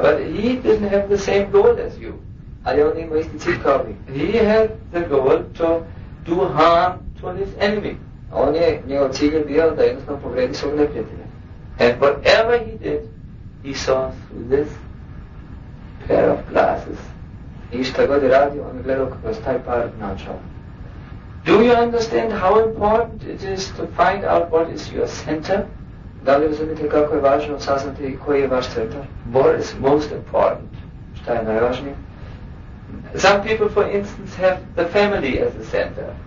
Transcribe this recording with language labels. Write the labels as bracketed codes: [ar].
[en] But he didn't have the same goal as you. [bs] Ali on ima isti cilj kao vi. [en] He had the goal to do harm to his enemy. [bs] On je, njegov cilj je bio da jednostavno povredi svog neprijatelja. [en] And whatever he did, he saw through this pair of glasses. [bs] I šta god je radio, on je gledao kroz taj par naočala. [en] Do you understand how important it is to find out what is your center? [bs] Da li razumite kako je važno saznati koji je vaš centar? [en] What is most important? [bs] Šta je najvažnije? [en] Some people, for instance, have the family as a center.